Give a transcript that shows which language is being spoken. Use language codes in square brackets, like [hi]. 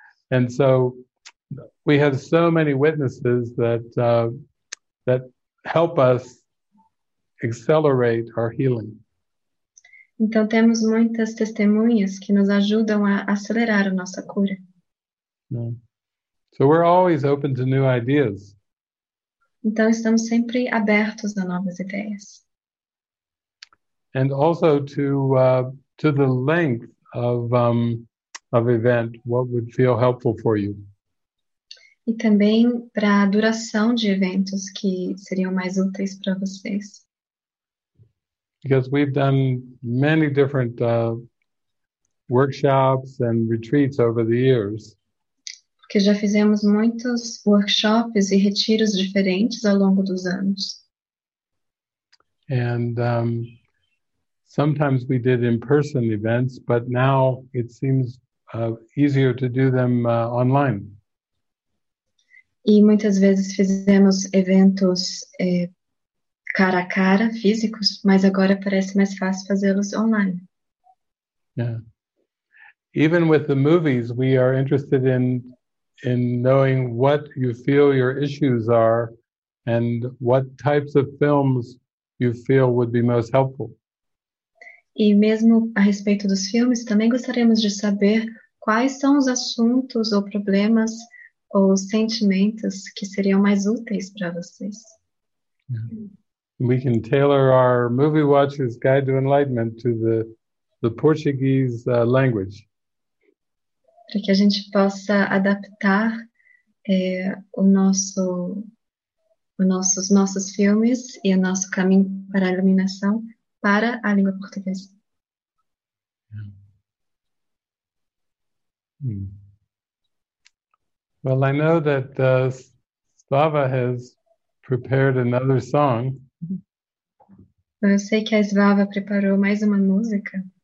[en] And so we have so many witnesses that help us accelerate our healing. [pt] Então temos muitas testemunhas que nos ajudam a acelerar a nossa cura. [en] Yeah. So we're always open to new ideas. [pt] Então estamos sempre abertos a novas ideias. [en] And also to the length of event, what would feel helpful for you. [pt] E também para a duração de eventos que seriam mais úteis para vocês. [en] Because we've done many different workshops and retreats over the years. [pt] Porque já fizemos muitos workshops e retiros diferentes ao longo dos anos. [en] And sometimes we did in-person events, but now it seems easier to do them online. [pt] E muitas vezes fizemos eventos cara a cara, físicos, mas agora parece mais fácil fazê-los online. [en] Yeah. Even with the movies, we are interested in knowing what you feel your issues are and what types of films you feel would be most helpful. [pt] E mesmo a respeito dos filmes, também gostaríamos de saber quais são os assuntos ou problemas ou sentimentos que seriam mais úteis para vocês. [en] We can tailor our movie watcher's guide to enlightenment to the Portuguese language. [pt] Para que a gente possa adaptar os nossos filmes e o nosso caminho para a iluminação para a língua portuguesa. [en] Well, I know that Svava has prepared another song. [pt] Eu sei que a Svava preparou mais uma música.